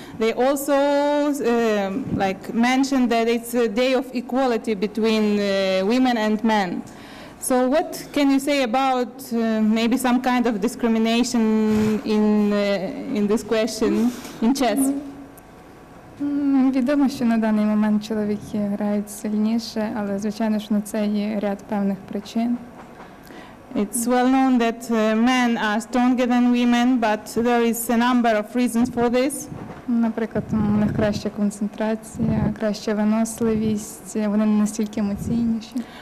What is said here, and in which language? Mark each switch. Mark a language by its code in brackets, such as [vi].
[en] They also like mentioned that it's a day of equality between women and men. So what can you say about maybe some kind of discrimination in this question in chess? [uk] Відомо, що на даний момент чоловіки грають сильніше, але звичайно ж на це є ряд певних причин. [en] It's well known that men are stronger than women, but there is a number of reasons for this. [uk] Наприклад, у них краща концентрація, краща виносливість, вони не настільки емоційніші.